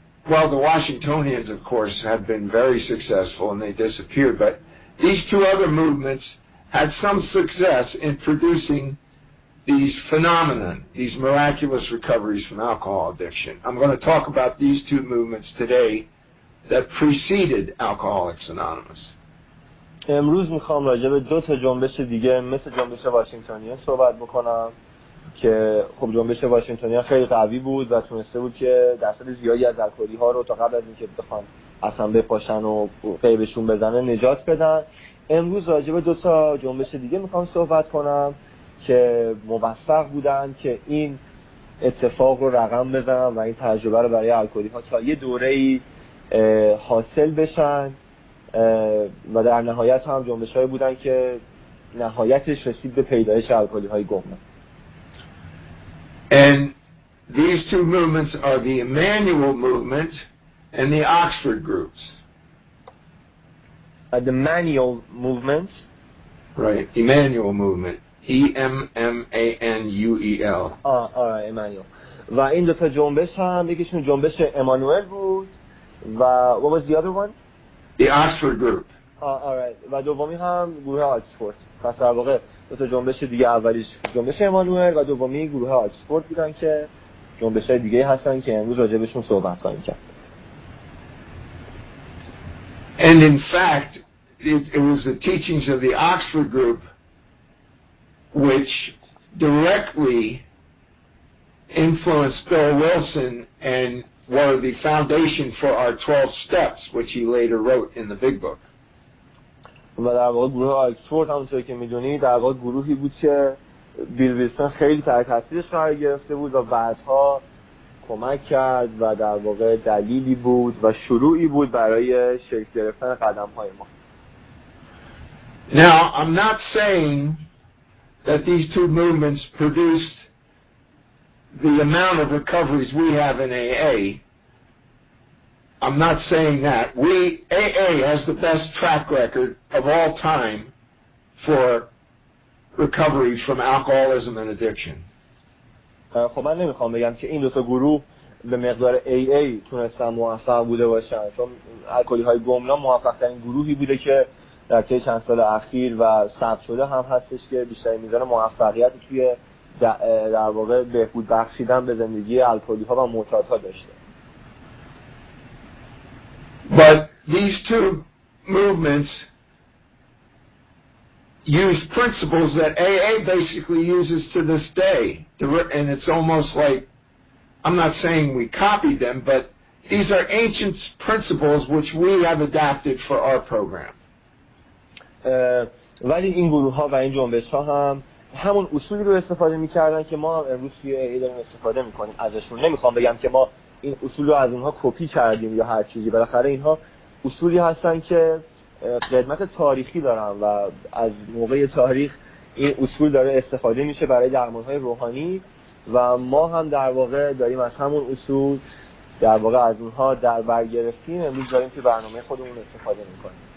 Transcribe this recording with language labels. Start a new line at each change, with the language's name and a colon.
English: well, the Washingtonians, of course, have been very successful and they disappeared, but these two other movements had some success in producing these phenomena, these miraculous recoveries from alcohol addiction. I'm going to talk about these two movements today that preceded Alcoholics Anonymous.
Persian: امروز میخوام راجع به دو تا جنبش دیگه مثل جنبش واشنگتنیان صحبت بکنم که خب جنبش واشنگتنیا خیلی قوی بود و تونسته بود که درصد زیادی از الکلی‌ها رو تا قبل از اینکه بخوان اصلا بپاشن و قیبشون بزنه نجات بدن. امروز راجع به دو تا جنبش دیگه میخوام صحبت کنم که موفق بودن که این اتفاق رو رقم بزنن و این تجربه رو برای الکلی ها تا یه دوره‌ای حاصل بشن و در نهایت هم جنبش هایی بودن که نهایتش رسید به پیدایش الکلی های گمنام.
English: And these two movements are the Emanuel movement and the Oxford groups. The Emanuel movement. Right, Emanuel movement. Emmanuel. Alright, Emanuel.
Persian: و این دو تا جنبش هم یکیشون جنبش امانوئل بود و
English: what was the other one? The Oxford group.
Persian: Alright, و دومی هم گروه آکسفورد. پس در واقع دو تا جنبش دیگه، اولیش جنبش امانوئل و دومی گروه آکسفورد بودن که جنبش های دیگه هستن که امروز راجع بهشون صحبت خواهیم کرد.
English: And in fact, it was the teachings of the Oxford group which directly influenced Bill Wilson and were the foundation for our 12 steps, which he later wrote in the Big Book.
Persian: و در واقع گروه آکسفورد همونطور که میدونید در واقع گروهی بود که بیل ویلسون خیلی تحت تاثیرش قرار گرفته بود و بعدها کمک کرد و در واقع دلیلی بود و شروعی بود برای شکل گرفتن قدم های ما.
English: Now I'm not saying that these two movements produced the amount of recoveries we have in AA. I'm not saying that. AA has the best track record of all time for recovery from alcoholism and addiction.
Persian: خب من نمیخوام بگم که این دو تا گروه به مقدار AA تونستن موفق بوده باشن، چون الکلی های گمنام موفق ترین گروهی بوده که در طی چند سال اخیر و ثبت شده هم هستش که بیشتر میزان موفقیت توی در واقع بهبود بخشیدن به زندگی الکلی ها و معتاد ها داشته.
English: But these two movements use principles that AA basically uses to this day. And it's almost like, I'm not saying we copied them, but these are ancient principles which we have adapted for our program.
Persian: ولی این گروه ها و این جنبش ها هم همون اصولی رو استفاده می کردن که ما هم امروز توی AA داریم استفاده می کنیم ازشون. نمی خوام بگم که ما این اصول رو از اونها کپی کردیم یا هر چیزی، بالاخره اینها اصولی هستن که قدمت تاریخی دارن و از موقع تاریخ این اصول داره استفاده میشه برای درمانهای روحانی و ما هم در واقع داریم از همون اصول در واقع از اونها در بر گرفتیم، امروز داریم توی برنامه خودمون استفاده میکنیم.